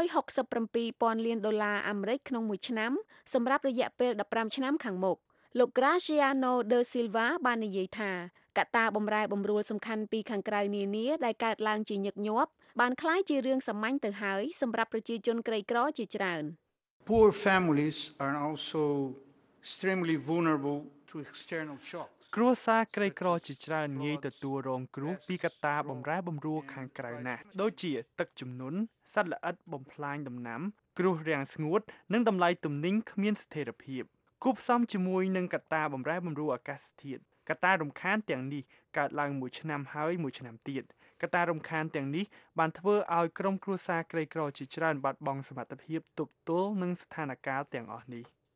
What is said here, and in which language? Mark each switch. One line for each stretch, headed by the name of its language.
Khmer: 267,000លានដុល្លារអាមេរិកក្នុងមួយឆ្នាំសម្រាប់រយៈពេល15ឆ្នាំខាងមុខលោក Graciano da Silva បាននិយាយថាកត្តាបំរែបំរួលសំខាន់ពីខាងក្រៅនានាដែលកើតឡើងជាញឹកញាប់បានក្លាយជារឿងសាមញ្ញទៅហើយសម្រាប់ប្រជាជនក្រីក្រជាច្រើន
English: Poor families are also extremely vulnerable to external shocks.
Khmer: គ្រួសារក្រីក្រជាច្រើនងាយទទួលរងគ្រោះពីកត្តាបំរែបំរួលខាងក្រៅណាស់ដូចជាទឹកជំនន់សត្វល្អិតបំផ្លាញដំណាំគ្រោះរាំងស្ងួតនិងតម្លៃទំនិញគ្មានស្ថិរភាពគូផ្សំជាមួយនឹងកត្តាបំរែបំរួលអាកាសធាតុកត្តារំខានទាំងនេះកើតឡើងមួយឆ្នាំហើយមួយឆ្នាំទៀតកត្តារំខានទាំងនេះបានធ្វើឲ្យក្រុមគ្រួសារក្រីក្រជាច្រើនបាត់បង់សមត្ថភាពទប់ទល់នឹងស្ថានភាពទាំងអស់នេះ